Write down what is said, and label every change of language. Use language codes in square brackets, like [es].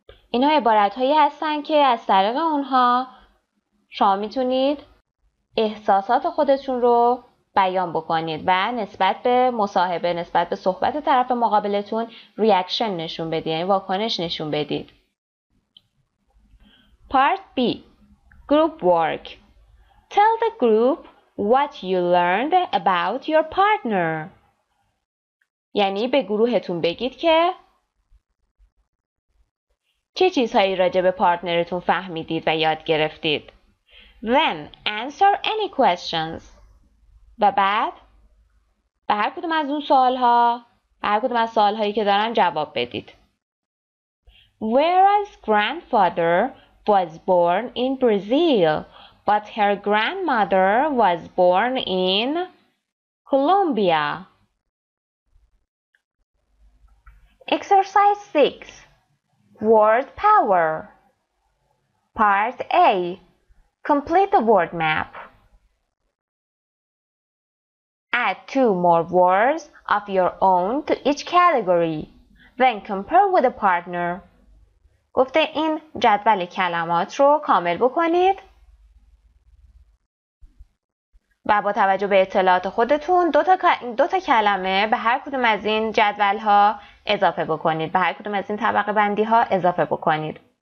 [fa] اینا عبارت‌هایی هستن که از طریق اونها شما میتونید احساسات خودتون رو بیان بکنید و نسبت به مصاحبه، نسبت به صحبت طرف مقابلتون ریاکشن نشون بدید، یعنی واکنش نشون بدید. [en] Part B. Group work. Tell the group what you learned about your partner. [fa] یعنی به گروهتون بگید که چه چیزهایی راجع به پارتنرتون فهمیدید و یاد گرفتید. [en] Then answer any questions. [fa] و بعد به هر کدوم از اون سوالها، به هر کدوم از سوالهایی که دارن جواب بدید. [en] Whereas grandfather was born in Brazil, but her grandmother was born in Colombia. Exercise 6. Word power. Part A. Complete the word map. Add two more words of your own to each category. Then compare with a partner. [fa] گفته این جدول کلمات رو کامل بکنید و با توجه به اطلاعات خودتون دو تا کلمه به هر کدوم از این جدول ها اضافه بکنید، به هر کدوم از این طبقه بندی ها اضافه بکنید.